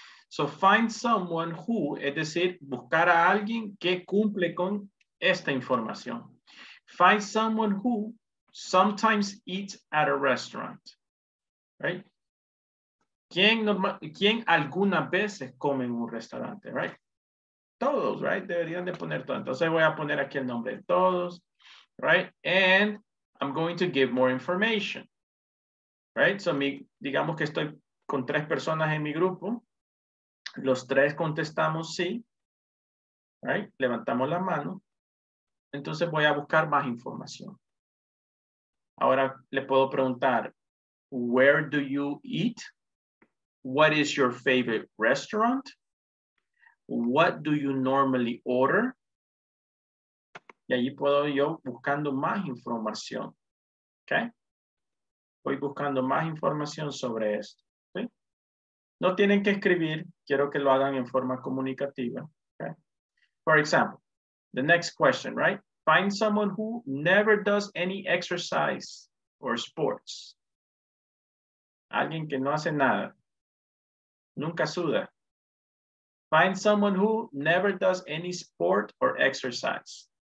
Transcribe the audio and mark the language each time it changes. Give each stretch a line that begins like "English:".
English: So find someone who,
Spanish: es decir, buscar a alguien que cumple con esta información.
English: Find someone who sometimes eats at a restaurant, right?
Spanish: ¿Quién algunas veces come en un restaurante, right? Todos, right? Deberían de poner todos. Entonces voy a poner aquí el nombre de todos, right?
English: And I'm going to give more information, right?
Spanish: So digamos que estoy con tres personas en mi grupo. Los tres contestamos sí, right? Levantamos la mano. Entonces voy a buscar más información. Ahora le puedo preguntar,
English: where do you eat? What is your favorite restaurant? What do you normally order?
Spanish: Y allí puedo yo buscando más información. Okay? Voy buscando más información sobre esto. Okay? No tienen que escribir, quiero que lo hagan en forma comunicativa.
English: Okay? For example, the next question, right? Find someone who never does any exercise or sports.
Spanish: Alguien que no hace nada. Nunca suda.
English: Find someone who never does any sport or exercise.